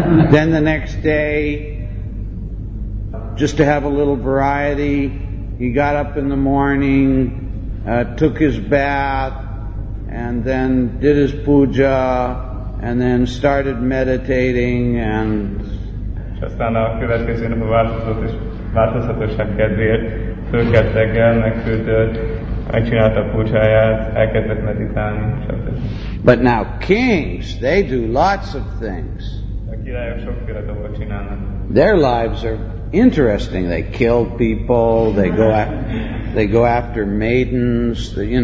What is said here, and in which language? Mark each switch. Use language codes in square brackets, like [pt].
[en] Then the next day, just to have a little variety, he got up in the morning, took his bath, and then did his puja, and then started meditating, and [hu] aztán a következő nap a változatosság kedvéért fölkelt reggel, megküldött, megcsinálta a pucsáját, elkezdett meditálni, stb. [en] But now kings, they do lots of things. [hu] A királyok sokféle dolgot csinálnak. [en] Their lives are interesting. They kill people, they go after maidens,